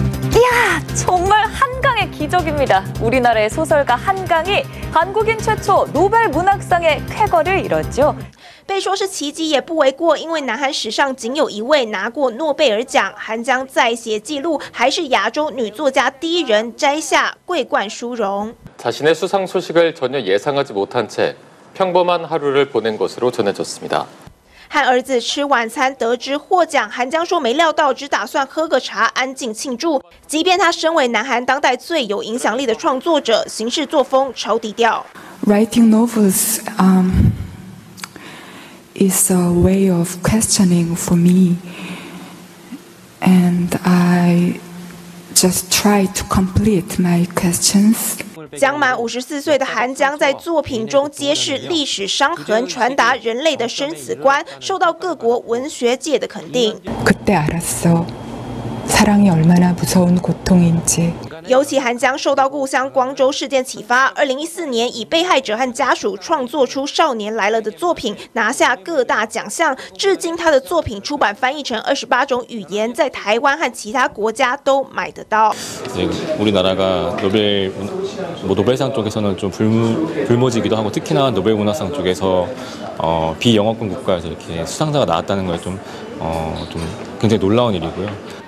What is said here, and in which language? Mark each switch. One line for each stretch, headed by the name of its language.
Korean: 呀，정말한강의기적입니다。 우리나라의소설가한강이한국인최초노벨문학상의쾌거를이뤘죠。
Chinese: 被说是奇迹也不为过，因为南韩史上仅有一位拿过诺贝尔奖，韩江再写记录，还是亚洲女作家第一人摘下桂冠殊荣。
Korean: 자신의수상소식을전혀예상하지못한채평범한하루를보낸것으로전해졌습니다
Chinese: 和儿子吃晚餐得知获奖，韩江说没料到，只打算喝个茶安静庆祝。即便他身为南韩当代最有影响力的创作者，行事作风超低调。
English: Writing novels, is a way of questioning for me, and I just try to complete my questions.
Chinese: 将满54岁的韩江在作品中揭示历史伤痕，传达人类的生死观，受到各国文学界的肯定。
Korean: 그때알았어사랑이얼마나무서운고통인지
Chinese: 尤其韩江受到故乡光州事件启发，2014年以被害者和家属创作出《少年来了》的作品，拿下各大奖项。至今，他的作品出版翻译成28种语言，在台湾和其他国家都买得到。
Korean: 우리나라가노벨뭐노벨상쪽에서는좀불무불모지기도하고특히나노벨문화상쪽에서비영어권국가에서이렇게수상자가나왔다는건좀좀굉장히놀라운일이고요